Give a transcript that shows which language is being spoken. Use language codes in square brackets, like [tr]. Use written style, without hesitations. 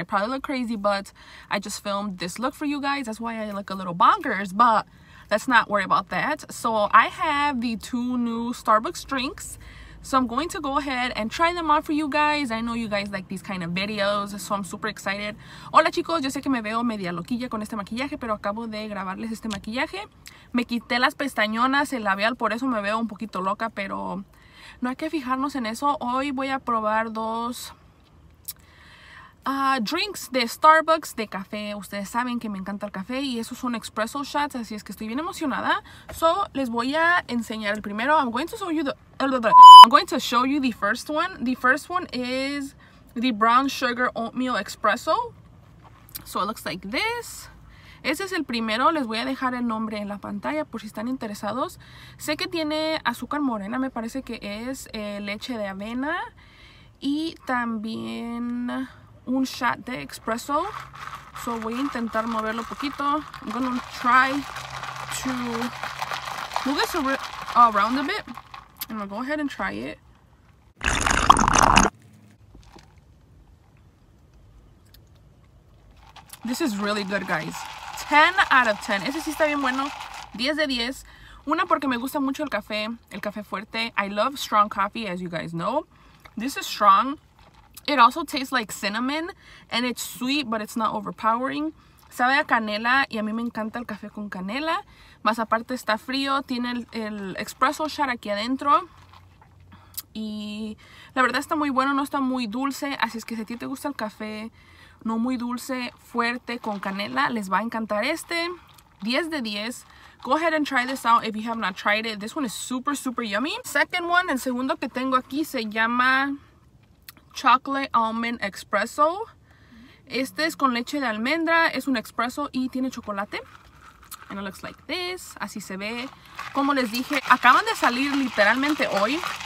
[en] I probably look crazy, but I just filmed this look for you guys. That's why I look a little bonkers, but let's not worry about that. So I have the two new Starbucks drinks. So I'm going to go ahead and try them on for you guys. I know you guys like these kind of videos, so I'm super excited. [es] Hola chicos, yo sé que me veo media loquilla con este maquillaje, pero acabo de grabarles este maquillaje. Me quité las pestañonas, el labial, por eso me veo un poquito loca, pero no hay que fijarnos en eso. Hoy voy a probar dos drinks de Starbucks de café. Ustedes saben que me encanta el café y esos son espresso shots, así es que estoy bien emocionada. So, les voy a enseñar el primero. [en] I'm going to show you the first one. The first one is the brown sugar oatmeal espresso. So, it looks like this. [es] Ese es el primero. Les voy a dejar el nombre en la pantalla por si están interesados. Sé que tiene azúcar morena, me parece que es leche de avena. Y también un shot de espresso. So voy a intentar moverlo un poquito. [en] I'm gonna try to move this around a bit. I'm gonna go ahead and try it. This is really good, guys. 10 out of 10. [es] Ese sí está bien bueno. 10 de 10. Una porque me gusta mucho el café fuerte. [en] I love strong coffee, as you guys know. This is strong. It also tastes like cinnamon, and it's sweet, but it's not overpowering. [es] Sabe a canela, y a mí me encanta el café con canela. Más aparte está frío, tiene el espresso shot aquí adentro. Y la verdad está muy bueno, no está muy dulce, así es que si a ti te gusta el café no muy dulce, fuerte, con canela, les va a encantar este. 10 de 10. [en] Go ahead and try this out if you have not tried it. This one is super, super yummy. Second one, [es] el segundo que tengo aquí se llama Chocolate Almond Espresso. Este es con leche de almendra, es un espresso y tiene chocolate. [en] And it looks like this. [es] Así se ve. Como les dije, acaban de salir literalmente hoy.